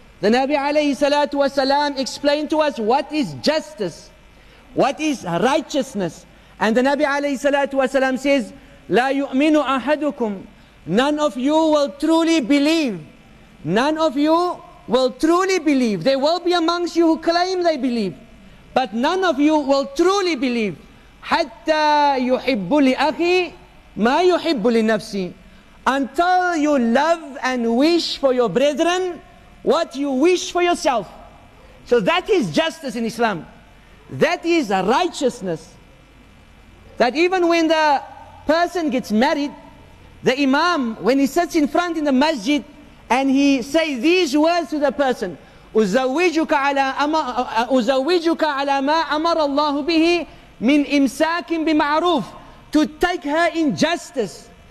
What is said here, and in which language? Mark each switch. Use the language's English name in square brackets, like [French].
[English] The Nabi alayhi salatu wasalam explained to us what is justice, what is righteousness. And the Nabi alayhi salatu wasalam says, [Arabic] لا يؤمن أحدكم. [English] None of you will truly believe. None of you will truly believe. There will be amongst you who claim they believe, but none of you will truly believe. [Arabic] حتى يحب لأخي ما يحب لنفسي. [English] Until you love and wish for your brethren what you wish for yourself. So that is justice in Islam. That is righteousness. That even when the person gets married, the imam, when he sits in front in the masjid and he says these words to the person, [Arabic] أُزَوِّجُكَ عَلَى مَا أَمَرَ اللَّهُ بِهِ مِنْ إِمْسَاكٍ بِمَعْرُوفٍ, [English] to take her in justice.